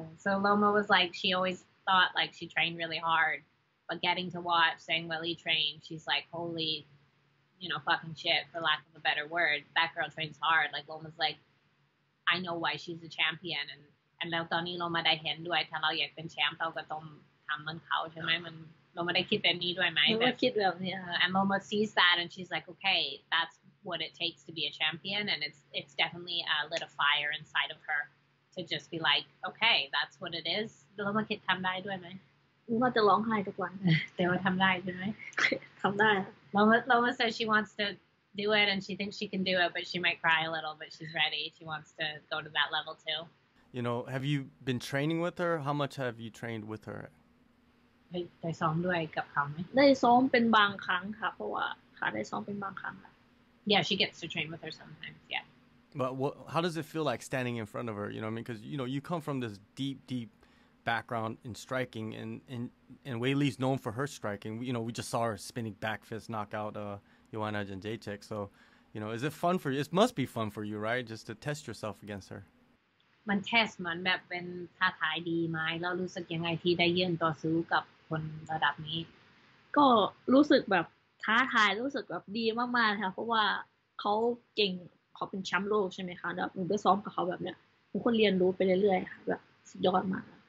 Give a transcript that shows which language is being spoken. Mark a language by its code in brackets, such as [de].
[en] So Loma was like she always thought like she trained really hard but getting to watch Zhang Weili train she's like holy you know fucking shit for lack of a better word that girl trains hard like Loma's like I know why she's a champion and [th] แล้วตอนนี้เรามาได้เห็นด้วยถ้าเราอยากเป็นแชมป์เราก็ต้องทำมันเขาใช่ไหมมันเรามาได้คิดแบบนี้ด้วยไหม ไม่คิดแบบนี้ [en] and Loma sees that and she's like okay that's what it takes to be a champion and it's definitely lit a fire inside of her to just be like okay that's what it is [th] เรามาคิดทำได้ด้วยไหม เราจะร้องไห้ทุกวัน แต่ว่าทำได้ใช่ไหม ทำได้ [en] Loma says she wants to do it and she thinks she can do it but she might cry a little but she's ready she wants to go to that level too You know, have you been training with her? How much have you trained with her? [th] ได้ซ้อมด้วยกับเขาไหม ได้ซ้อมเป็นบางครั้งค่ะเพราะว่าค่ะได้ซ้อมเป็นบางครั้งค่ะ [en] Yeah, she gets to train with her sometimes. Yeah. But how does it feel like standing in front of her? You know, I mean, because you know, you come from this deep, deep background in striking, and Weili's known for her striking. You know, we just saw her spinning back fist knockout Joanna Jędrzejczyk. So, you know, is it fun for you? It must be fun for you, right? Just to test yourself against her. [th] มันเทสมันแบบเป็นท่าทายดีไหมแล้วรู้สึกยังไงที่ได้ยื่นต่อสู้กับคนระดับนี้ก็รู้สึกแบบท้าทายรู้สึกแบบดีมากๆค่ะเพราะว่าเขาเก่งเขาเป็นแชมป์โลกใช่ไหมคะแล้วหนูได้ซ้อมกับเขาแบบเนี้ยหนูก็เรียนรู้ไปเรื่อยๆแบบสุดยอดมาก